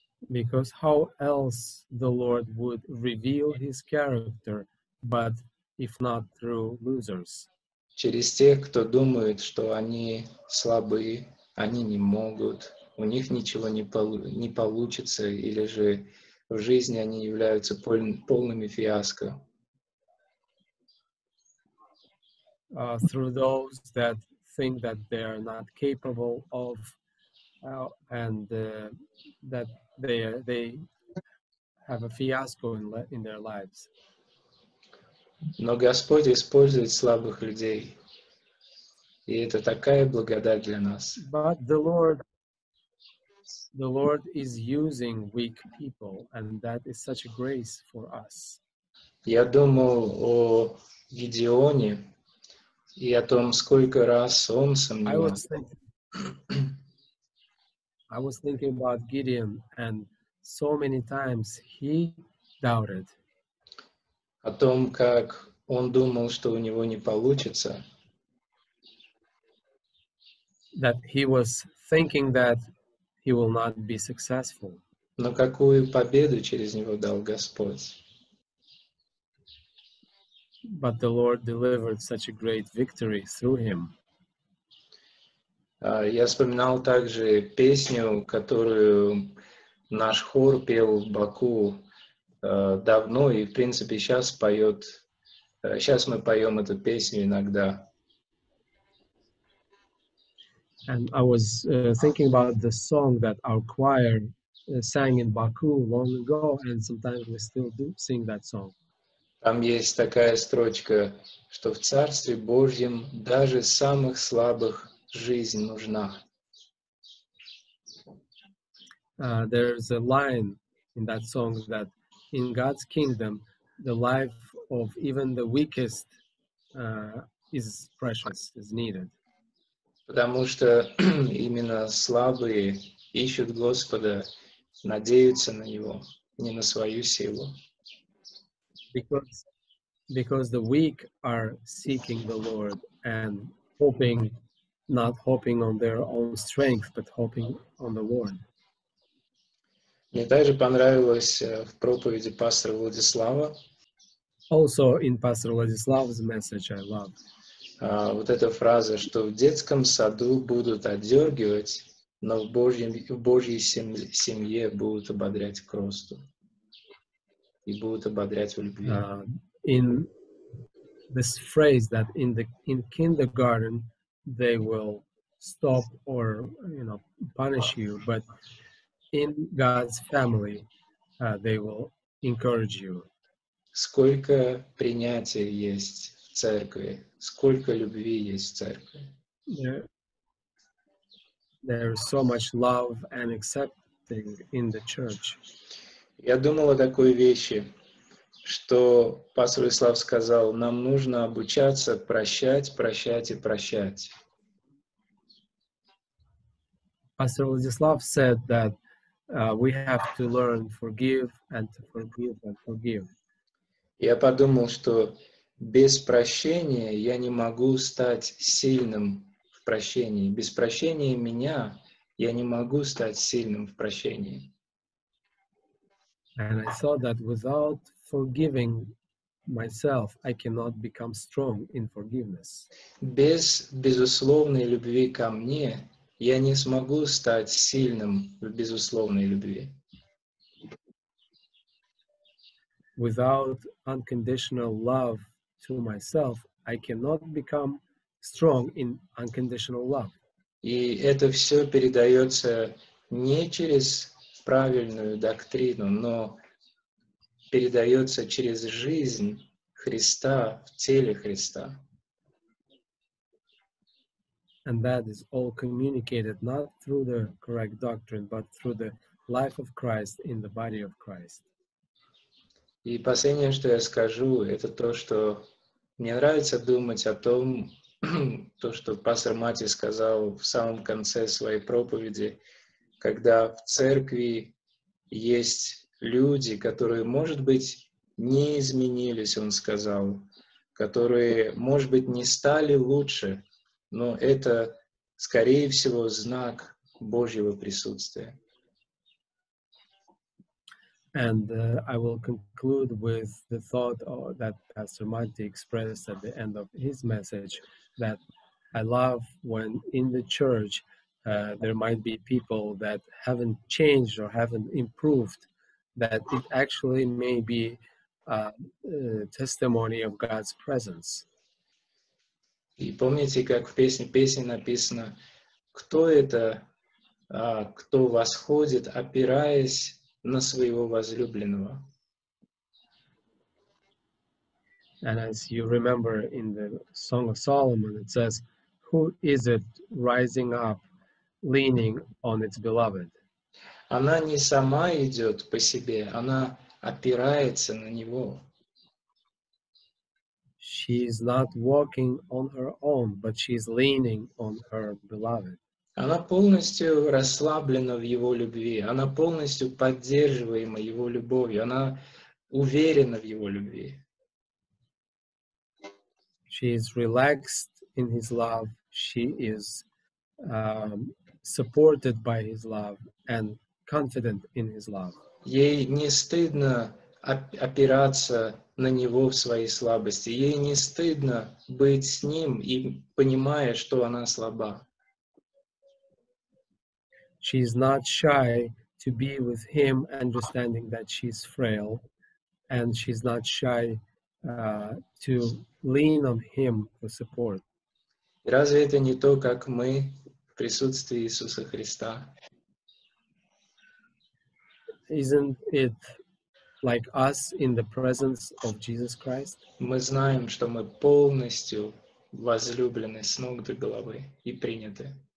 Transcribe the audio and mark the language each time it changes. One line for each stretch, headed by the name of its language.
English: Because how else the Lord would reveal his character, but if not through losers?
Russian: Через тех, кто думает, что они слабы, они не могут, у них ничего не получится, или же в жизни они являются полными фиаско.
English: Through those that think that they are not capable of that they have a fiasco in their lives.
Russian: Но Господь использует слабых людей. И это такая благодать для нас.
English: But the Lord is using weak people, and that is such a grace for us.
Russian: Я думал о Гедеоне и о том, сколько раз он сомневался.
English: I was thinking about Gideon, and so many times he doubted.
Russian: О том, как он думал, что у него не получится.
English: That he was thinking that he will not be successful.
Russian: Но какую победу через него дал Господь?
English: But the Lord delivered such a great victory through him.
Russian: Я вспоминал также песню, которую наш хор пел в Баку давно, и в принципе сейчас поет, сейчас мы поем эту песню иногда.
English: And I was thinking about the song that our choir sang in Baku long ago, and sometimes we still do sing that song.
Russian: Там есть такая строчка, что в Царстве Божьем даже самых слабых жизнь нужна.
English: There's a line in that song that in God's kingdom the life of even the weakest is precious, is needed.
Russian: Потому что именно слабые ищут Господа, надеются на Него, не на свою силу.
English: Because the weak are seeking the Lord and hoping, not hoping on their own strength, but hoping on the Lord.
Russian: Мне также понравилось в проповеди пастора Владислава.
English: Also in Pastor Владислав's message I love.
Russian: Вот эта фраза, что в детском саду будут отдергивать, но в Божьей семье будут ободрять к росту. И будут ободрять в любви.
English: In this phrase that in kindergarten they will stop or you know punish you, but in God's family they will encourage you.
Russian: Сколько принятия есть в церкви, сколько любви есть в церкви.
English: There is so much love and accepting in the church.
Russian: Я думал о такой вещи, что пастор Ислав сказал, нам нужно обучаться прощать, прощать и прощать.
English: Пастор Владислав said that we have to learn forgive and to forgive and forgive.
Russian: Я подумал, что без прощения я не могу стать сильным в прощении. Без прощения меня я не могу стать сильным в прощении.
English: And I thought that without forgiving myself, I cannot become strong in forgiveness.
Russian: Без безусловной любви ко мне, я не смогу стать сильным в безусловной любви.
English: Without unconditional love to myself, I cannot become strong in unconditional love.
Russian: И это все передается не через правильную доктрину, но передается через жизнь Христа в теле Христа.
English: And that is all communicated not through the correct doctrine, but through the life of Christ in the body of Christ.
Russian: И последнее, что я скажу, это то, что мне нравится думать о том, то, что пастор Мати сказал в самом конце своей проповеди, когда в церкви есть люди, которые, может быть, не изменились, он сказал, которые, может быть, не стали лучше, но это, скорее всего, знак Божьего присутствия.
English: And I will conclude with the thought that Pastor Monty expressed at the end of his message, that I love when in the church there might be people that haven't changed or haven't improved, that it actually may be testimony of God's presence.
Russian: И помните, как в песне написано, кто это, кто восходит, опираясь на своего возлюбленного?
English: And as you remember in the Song of Solomon, it says, Who is it rising up, leaning on its beloved?
Russian: Она не сама идет по себе, она опирается на него.
English: She is not walking on her own, but she is leaning on her beloved.
Russian: Она полностью расслаблена в его любви, она полностью поддерживаема его любовью, она уверена в его любви.
English: She is relaxed in his love, she is supported by his love and confident in his love.
Russian: Ей не стыдно опираться на него в своей слабости, ей не стыдно быть с ним и понимая, что она слаба.
English: She is not shy to be with him, understanding that she is frail, and she is not shy to lean on him for support.
Russian: Разве это не то, как мы в присутствии Иисуса Христа?
English: Isn't it like us in the presence of Jesus Christ?
Russian: Мы знаем, что мы полностью возлюблены с ног до головы и приняты.